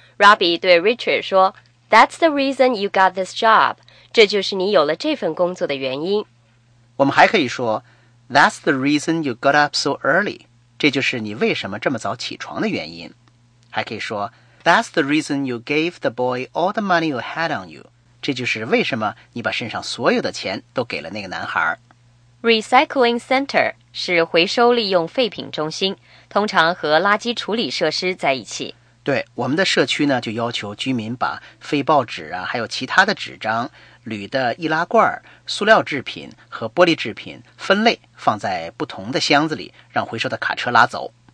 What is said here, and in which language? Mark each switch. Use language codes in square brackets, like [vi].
[en] Robbie [zh] 对 Richard 说 [en] That's the reason you got this job. [zh] 这就是你有了这份工作的原因。我们还可以说 [en] That's the reason you got up so early. [zh] 这就是你为什么这么早起床的原因。还可以说 [en] That's the reason you gave the boy all the money you had on you. [zh] 这就是为什么你把身上所有的钱都给了那个男孩。 Recycling Center 是回收利用废品中心，通常和垃圾处理设施在一起。对，我们的社区呢，就要求居民把废报纸啊，还有其他的纸张、铝的易拉罐、塑料制品和玻璃制品分类放在不同的箱子里，让回收的卡车拉走。